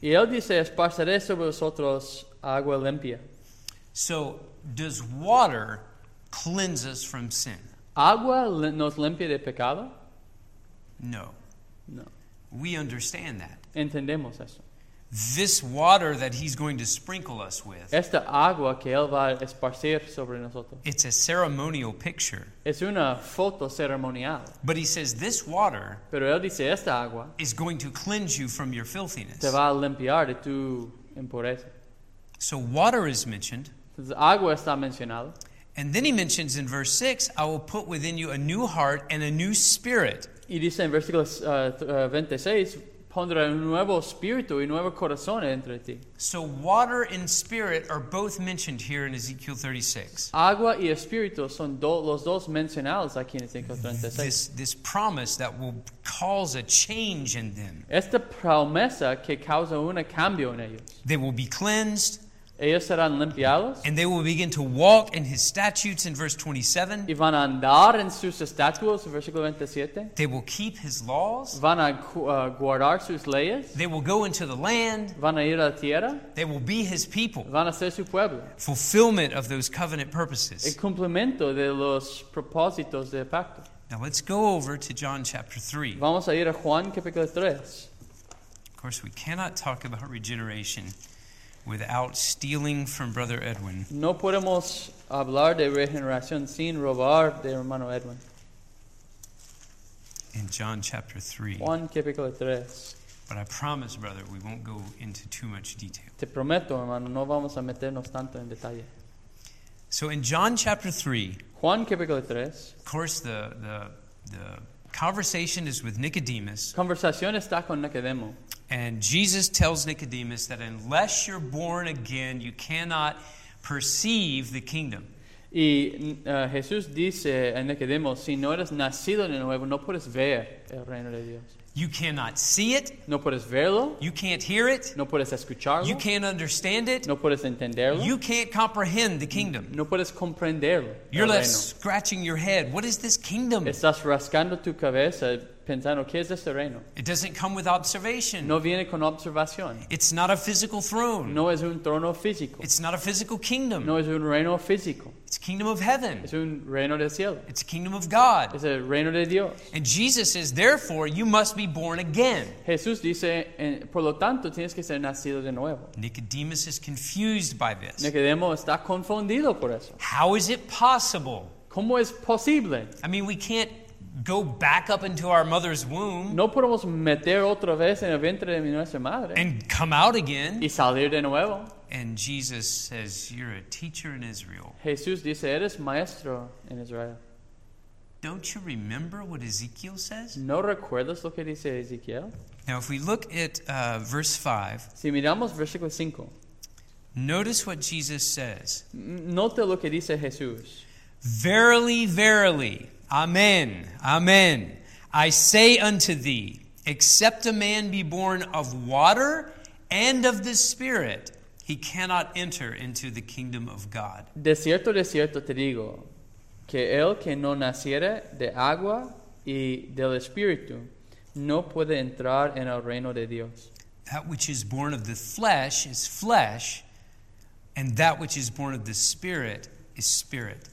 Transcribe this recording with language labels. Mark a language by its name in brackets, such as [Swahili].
[Spanish] Y él dice, "Esparceré sobre vosotros agua limpia." [English] So, does water cleanse us from sin? [Spanish] ¿Agua nos limpia de pecado? [English] No. [Spanish] No. [English] We understand that. [Spanish] Entendemos eso. [English] This water that he's going to sprinkle us with. [Spanish] Esta agua que él va a esparcir sobre nosotros. [English] It's a ceremonial picture. [Spanish] Es una foto ceremonial. [English] But he says this water. [Spanish] Pero él dice esta agua. [English] Is going to cleanse you from your filthiness. [Spanish] Te va a limpiar de tu impureza. [English] So water is mentioned. [Spanish] Agua está mencionado. [English] And then he mentions in verse 6, I will put within you a new heart and a new spirit. [Spanish] Y dice en versículo 26, pondré un nuevo espíritu y nuevo corazón entre ti. [English] So water and spirit are both mentioned here in Ezekiel 36. [Spanish] Agua y espíritu son los dos mencionados aquí en Ezekiel 36. [English] This promise that will cause a change in them. [Spanish] Esta promesa que causa un cambio en ellos. [English] They will be cleansed. [Spanish] Ellos serán limpiados. [English] And they will begin to walk in his statutes in verse 27. [Spanish] Y van a andar en sus estatutos, versículo 27. [English] They will keep his laws. [Spanish] Van a guardar sus leyes. [English] They will go into the land. [Spanish] Van a ir a la tierra. [English] They will be his people. [Spanish] Van a ser su pueblo. [English] Fulfillment of those covenant purposes. [Spanish] El cumplimiento de los propósitos del pacto. [English] Now let's go over to John chapter 3. [Spanish] Vamos a ir a Juan capítulo 3. [English] Of course, we cannot talk about regeneration without stealing from Brother Edwin. [Spanish] No podemos hablar de regeneración sin robar de hermano Edwin. [English] In John chapter 3. [Spanish] Juan capítulo 3. [English] But I promise, brother, we won't go into too much detail. [Spanish] Te prometo, hermano, no vamos a meternos tanto en detalle. [English] So in John chapter 3, [Spanish] Juan capítulo 3, [English] of course, the conversation is with Nicodemus. [Spanish] Conversación está con Nicodemo. [English] And Jesus tells Nicodemus that unless you're born again, you cannot perceive the kingdom. [Spanish] Y Jesús dice a Nicodemo, si no eres nacido de nuevo, no puedes ver el reino de Dios. [English] You cannot see it. [Spanish] No puedes verlo. [English] You can't hear it. [Spanish] No puedes escucharlo. [English] You can't understand it. [Spanish] No puedes entenderlo. [English] You can't comprehend the kingdom. [Spanish] No puedes comprenderlo. [English] You're left scratching your head. What is this kingdom? [Spanish] Estás rascando tu cabeza pensando, ¿qué es este reino? [English] It doesn't come with observation. [Spanish] No viene con observación. [English] It's not a physical throne. [Spanish] No es un trono físico. [English] It's not a physical kingdom. [Spanish] No es un reino físico. [English] It's kingdom of heaven. [Spanish] Es un reino del cielo. [English] It's kingdom of God. [Spanish] Es el reino de Dios. [English] And Jesus says, therefore, you must be born again. [Spanish] Jesús dice, por lo tanto, tienes que ser nacido de nuevo. [English] Nicodemus is confused by this. [Spanish] Nicodemo está confundido por eso. [English] How is it possible? [Spanish] ¿Cómo es posible? [English] I mean, we can't go back up into our mother's womb. [Spanish] No podemos meter otra vez en el vientre de nuestra madre. [English] And come out again. [Spanish] Y salir de nuevo. [English] And Jesus says, you're a teacher in Israel. [Spanish] Jesús dice, eres maestro en Israel. [English] Don't you remember what Ezekiel says? [Spanish] ¿No recuerdas lo que dice Ezekiel? [English] Now, if we look at verse 5, [Spanish] si miramos versículo 5, [English] notice what Jesus says. [Spanish] Note lo que dice Jesús. [English] Verily, verily, amen, amen, I say unto thee, except a man be born of water and of the Spirit, he cannot enter into the kingdom of God. [Spanish] De cierto te digo, que el que no naciere de agua y del espíritu, no puede entrar en el reino de Dios. [English] That which is born of the flesh is flesh, and that which is born of the Spirit is spirit.